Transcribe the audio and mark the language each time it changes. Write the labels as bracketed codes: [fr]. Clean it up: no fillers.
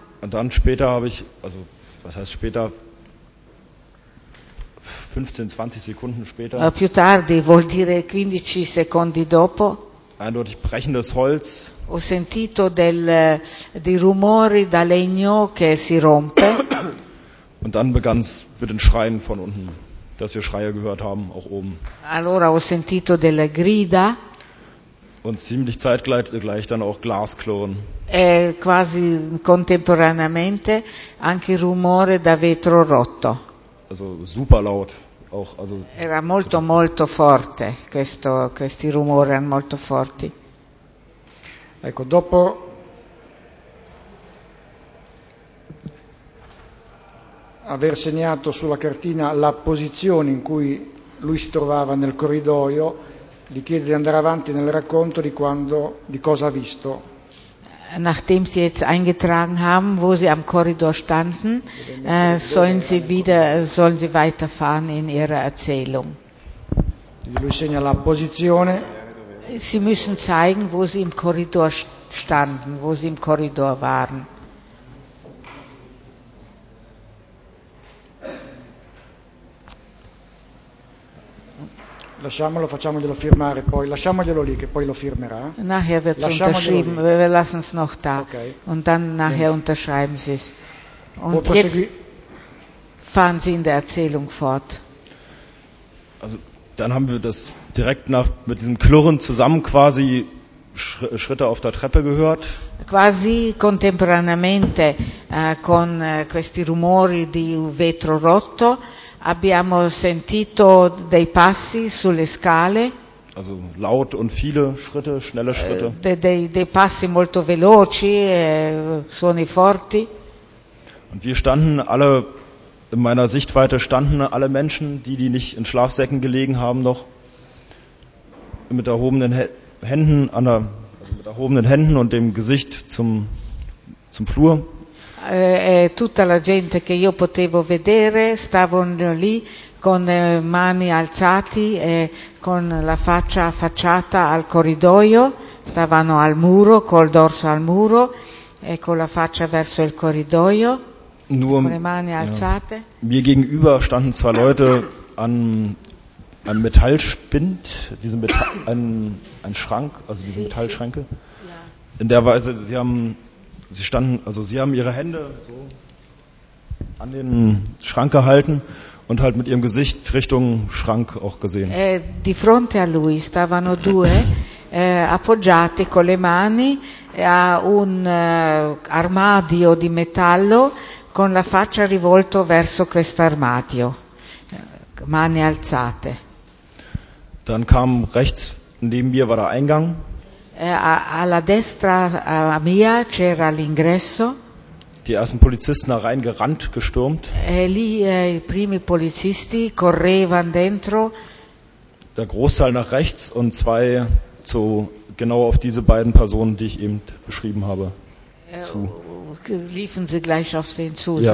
[de] Und dann später habe ich, also was heißt später? 15, 20 Sekunden später. [it] Più tardi vuol dire 15 secondi dopo. [de] Eindeutig brechendes Holz. [it] Ho sentito dei rumori da legno che si rompe. [de] Und dann begann es mit den Schreien von unten, dass wir Schreie gehört haben, auch oben. [it] Allora ho sentito delle grida. [de] Und ziemlich zeitgleich dann auch Glasklirren. [it] Quasi contemporaneamente anche rumore da vetro rotto. [de] Also super laut. Auch, also [it] era molto molto forte questi rumori erano molto forti. Ecco, dopo aver segnato sulla cartina la posizione in cui lui si trovava nel corridoio, gli chiede di andare avanti nel racconto di quando, di cosa ha visto. [de] Nachdem Sie jetzt eingetragen haben, wo Sie am Korridor standen, sollen Sie weiterfahren in Ihrer Erzählung. [it] Lui segna la posizione. [de] Sie müssen zeigen, wo Sie im Korridor standen, wo Sie im Korridor waren. [it] Lasciamolo, facciamoglielo firmare poi. Lasciamoglielo lì, che poi lo firmerà. [de] Nachher wird's unterschrieben. Wir lassen es noch da. Okay. Und dann nachher unterschreiben Sie's. Und jetzt fahren Sie in der Erzählung fort. Also, dann haben wir das direkt nach, mit diesem Klurren zusammen quasi Schritte auf der Treppe gehört. [it] Quasi contemporaneamente con questi rumori di vetro rotto. Abbiamo sentito dei passi sulle scale. [de] Also laut und viele Schritte, schnelle Schritte. [it] Dei passi molto veloci, suoni forti. [de] Und wir standen alle, in meiner Sichtweite standen alle Menschen, die nicht in Schlafsäcken gelegen haben noch, mit erhobenen Händen, mit erhobenen Händen und dem Gesicht zum Flur. [it] Tutta la gente che io potevo vedere stavano lì con mani alzati e con la faccia affacciata al corridoio, stavano al muro, col dorso al muro e con la faccia verso il corridoio, [de] nur, [it] con le mani alzate. [de] Ja. Mir gegenüber standen zwei Leute an Metallspind, ein Schrank, also diese Metallschränke. Ja. In der Weise, Sie haben ihre Hände so an den Schrank gehalten und halt mit ihrem Gesicht Richtung Schrank auch gesehen. [it] Di fronte a lui stavano due appoggiati con le mani a un armadio di metallo con la faccia rivolto verso questo armadio, mani alzate. [de] Dann kam rechts neben mir war der Eingang. [it] Alla destra mia c'era l'ingresso. [de] Die ersten Polizisten reingerannt, gestürmt. [it] I primi polizisti correvano dentro. [de] Der Großteil nach rechts und zwei zu genau auf diese beiden Personen, die ich eben beschrieben habe. Zu. Liefen sie gleich auf den zu, ja.